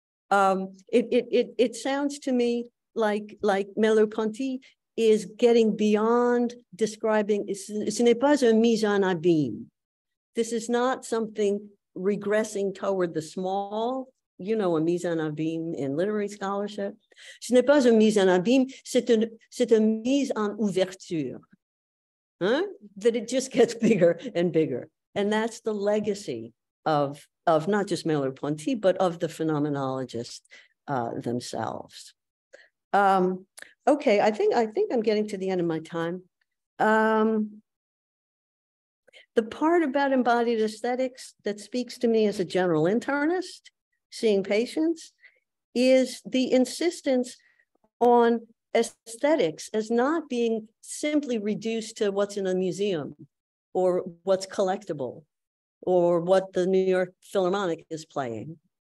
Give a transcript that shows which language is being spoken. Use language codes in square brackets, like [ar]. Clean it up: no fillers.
[en] It sounds to me like Merleau-Ponty is getting beyond describing, [fr] ce n'est pas un mise en abîme. [en] This is not something regressing toward the small, you know, a mise en abîme in literary scholarship. [fr] Ce n'est pas un mise en abîme, c'est une mise en ouverture. [en] Huh? That it just gets bigger and bigger. And that's the legacy of not just Merleau-Ponty, but of the phenomenologists themselves. Okay, I think I'm getting to the end of my time. The part about embodied aesthetics that speaks to me as a general internist, seeing patients, is the insistence on aesthetics as not being simply reduced to what's in a museum or what's collectible or what the New York Philharmonic is playing,